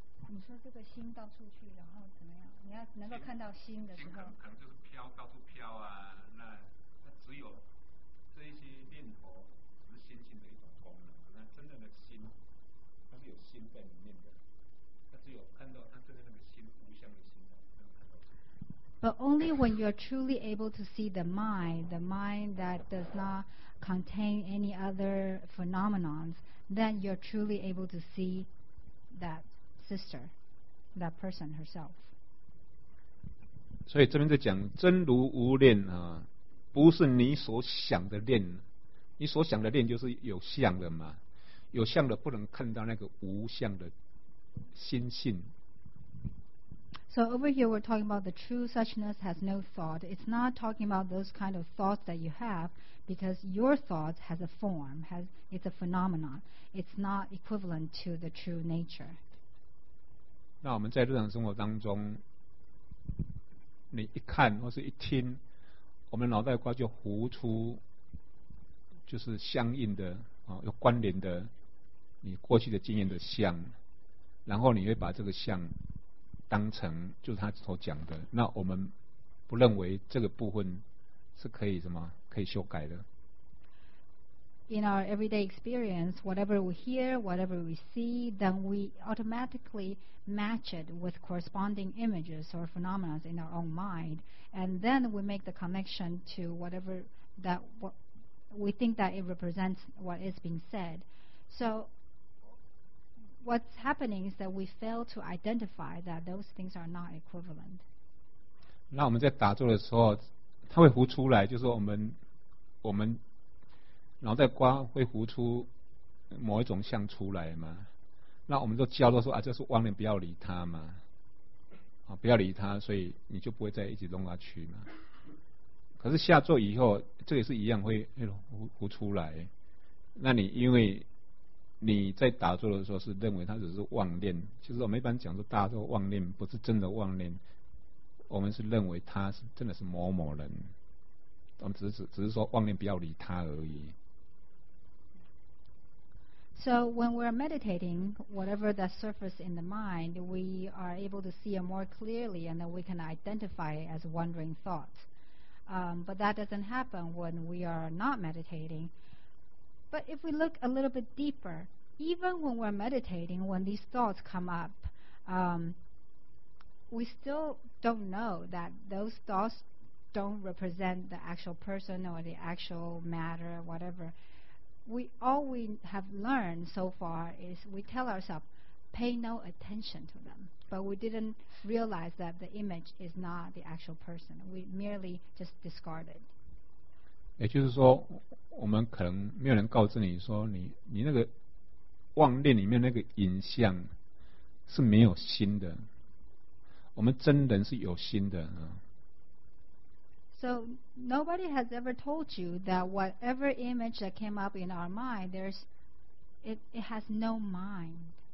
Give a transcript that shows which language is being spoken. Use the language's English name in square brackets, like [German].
[Chinese] 你说这个心到处去，然后怎么样？你要能够看到心的时候，心可能就是飘，到处飘啊。那只有这些念头是心性的一种功能，可能真正的心它是有心在里面的，它只有看到它真正的心无相的心，能看到。 [English] But only when you are truly able to see the mind that does not contain any other phenomenons, then you are truly able to see that sister, that person herself. [Chinese] 所以这边在讲真如无恋啊。不是你所想的念，你所想的念就是有相的嘛，有相的不能看到那个无相的心性。 [English] So over here we're talking about the true suchness has no thought. It's not talking about those kind of thoughts that you have, because your thought has a form, has it's a phenomenon. It's not equivalent to the true nature. [Chinese] 那我们在日常生活当中，你一看或是一听。我们脑袋瓜就浮出就是相应的、哦、有关联的你过去的经验的像，然后你会把这个像当成就是他所讲的，那我们不认为这个部分是可以什么可以修改的。 [English] In our everyday experience, whatever we hear, whatever we see, then we automatically match it with corresponding images or phenomena in our own mind. And then we make the connection to whatever that what we think that it represents what is being said. So what's happening is that we fail to identify that those things are not equivalent. [Chinese] 那我们在打坐的时候，它会浮出来，就是我们脑袋瓜会浮出某一种像出来嘛。那我们都教都说啊，这是妄念，不要理它嘛。啊、不要理他，所以你就不会再一直弄下去嘛。可是下座以后，这也是一样会糊出来。那你因为你在打坐的时候是认为他只是妄念，其实我们一般讲说大家都妄念，不是真的妄念，我们是认为他是真的是某某人，我们只是说妄念不要理他而已。 [English] So when we're meditating, whatever that surface in the mind, we are able to see it more clearly and then we can identify it as wandering thoughts. But that doesn't happen when we are not meditating. But if we look a little bit deeper, even when we're meditating, when these thoughts come up, we still don't know that those thoughts don't represent the actual person or the actual matter, whatever. All we have learned so far is we tell ourselves, pay no attention to them. But we didn't realize that the image is not the actual person. We merely just discard it. [Chinese] 也就是说，我们可能没有人告知你说你那个妄念里面那个影像是没有心的。我们真人是有心的啊。 [English] So nobody has ever told you that whatever image that came up in our mind, it has no mind.